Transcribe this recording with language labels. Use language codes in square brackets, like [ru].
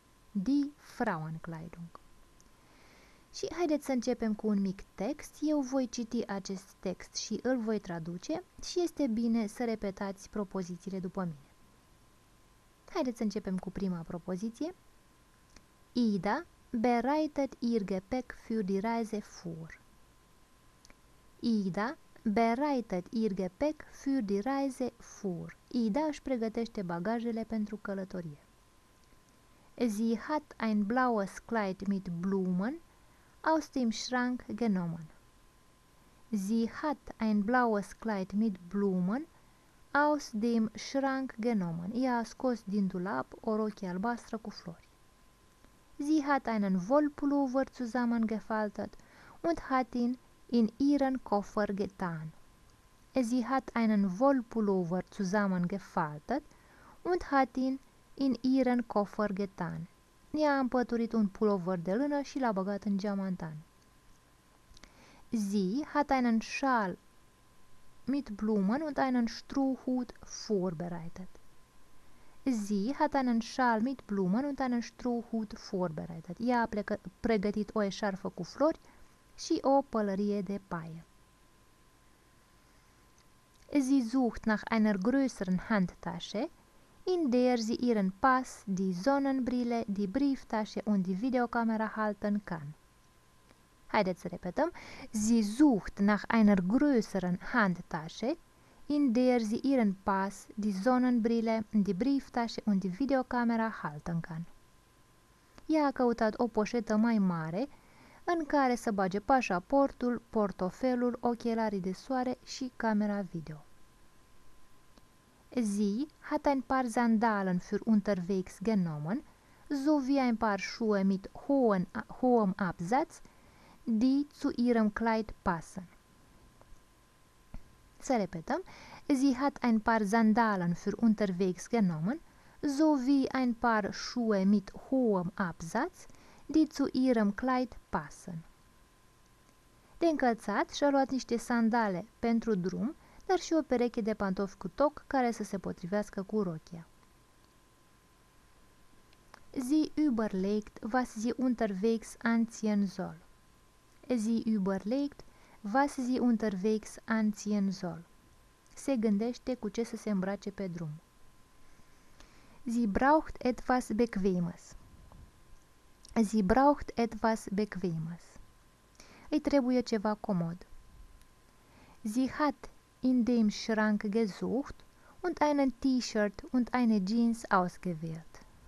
[de] Die Frauenkleidung. [ro] Și haideți să începem cu un mic text. Eu voi citi acest text și îl voi traduce și este bine să repetați propozițiile după mine. Haideți să începem cu prima propoziție. [de] Ida bereitet ihr Gepäck für die Reise vor. Ida bereitet ihr Gepäck für die Reise vor. [ro] Ida își pregătește bagajele pentru călătorie. [de] Sie hat ein blaues Kleid mit Blumen aus dem Schrank genommen. Sie hat ein blaues Kleid mit Blumen aus dem Schrank genommen. [ro] Ea a scos din dulap o rochie albastră cu flori. [de] Sie hat einen Wollpullover zusammengefaltet und hat ihn in ihren Koffer getan. Sie hat einen Wollpullover zusammengefaltet und hat ihn in ihren Koffer getan. [ro] Ea a împăturit un pulover de lână și l-a băgat în geamantan. [de] Sie hat einen Schal mit Blumen und einen Strohhut vorbereitet. Sie hat einen Schal mit Blumen und einen Strohhut vorbereitet. [ro] Ea a pregătit o eșarfă cu flori și o pălărie de paie. [de] Sie sucht nach einer größeren Handtasche, in der sie ihren Pass, die Sonnenbrille, die Brieftasche und die Videokamera halten kann. [ro] Haideți să repetăm. [de] Sie sucht nach einer größeren Handtasche, in der sie ihren Pass, die Sonnenbrille, die Brieftasche und die Videokamera halten kann. [ro] Ea a căutat o poșetă mai mare în care să bage pașaportul, portofelul, ochelarii de soare și camera video. [de] Sie hat ein paar Sandalen für unterwegs genommen, sowie ein paar Schuhe mit hohem Absatz, die zu ihrem Kleid passen. [ro] Să repetăm. [de] Sie hat ein paar Sandalen für unterwegs genommen, sowie ein paar Schuhe mit hohem Absatz, die zu ihrem Kleid passen. [ro] De încălțat și-a luat niște sandale pentru drum, dar și o pereche de pantofi cu toc care să se potrivească cu rochia. [de] Sie überlegt, was sie unterwegs anziehen soll. Sie überlegt, was sie unterwegs anziehen soll. [ro] Se gândește cu ce să se îmbrace pe drum. [de] Sie braucht etwas Bequemes. Sie braucht etwas Bequemes. [ro] Îi trebuie ceva comod. [de] Sie hat in dem Schrank gesucht und einen T-Shirt und eine Jeans ausgewählt.